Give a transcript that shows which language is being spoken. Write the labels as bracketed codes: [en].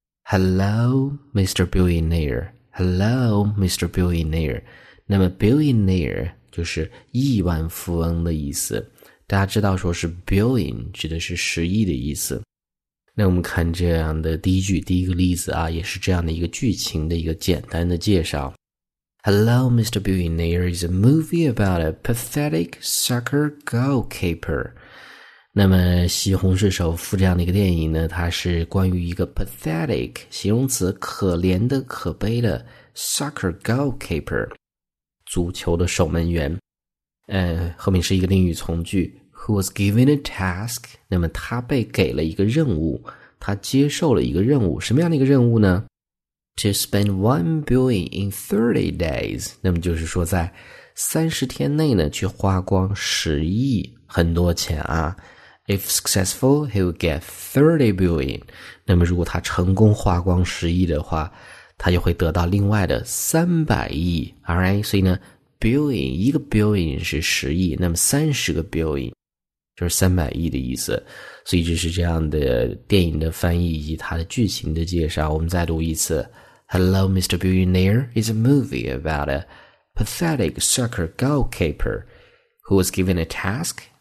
[en] Hello, Mr. Billionaire. Hello, Mr. Billionaire. [zh] 那么 billionaire 就是亿万富翁的意思。大家知道说是 billion 指的是十亿的意思。那我们看这样的第一句，第一个例子啊，也是这样的一个剧情的一个简单的介绍。 [en] Hello, Mr. Billionaire is a movie about a pathetic soccer goalkeeper. [zh] 那么西红柿首富这样的一个电影呢，它是关于一个 pathetic 形容词，可怜的、可悲的 soccer goalkeeper 足球的守门员。后面是一个定语从句 [en] who was given a task， [zh] 那么他被给了一个任务，他接受了一个任务，什么样的一个任务呢？ [en] to spend $1 billion in 30 days， [zh] 那么就是说在30天内呢去花光10亿，很多钱啊。 [en] If successful, he will get 30 billion. [zh] 那么如果他成功花光十亿的话，他就会得到另外的300亿。 Alright, 所以呢 ,billion, 一个 billion 是十亿，那么30个 billion, 就是300亿的意思。所以这是这样的电影的翻译以及它的剧情的介绍。我们再读一次。 [en] Hello, Mr. Billionaire is a movie about a pathetic soccer goalkeeper who was given a task.